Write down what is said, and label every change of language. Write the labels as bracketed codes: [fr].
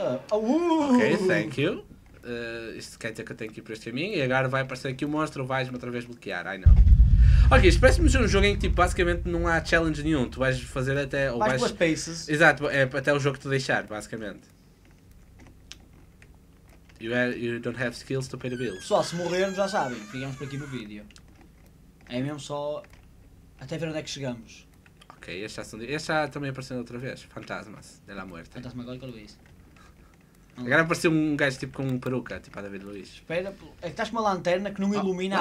[en] Ok, thank you. [pt] Isto quer dizer que eu tenho que ir para este caminho e agora vai aparecer aqui o monstro, vais-me outra vez bloquear. Ai não. Ok, isto parece-me ser um jogo em que tipo, basicamente não há challenge nenhum. Tu vais fazer até. Ou vais pelas paces. Exato, é até o jogo te deixar, basicamente. [en] You don't have skills to pay the bills. [pt] Pessoal, se morrermos, já sabem, ficamos por aqui no vídeo. É mesmo só até ver onde é que chegamos. Ok, este já também apareceu outra vez. [es] Fantasmas de la Muerte. Fantasma Gólico Luís. [pt] Agora apareceu um gajo tipo com um peruca, tipo a David Luiz. Espera, é que estás com uma lanterna que não me ilumina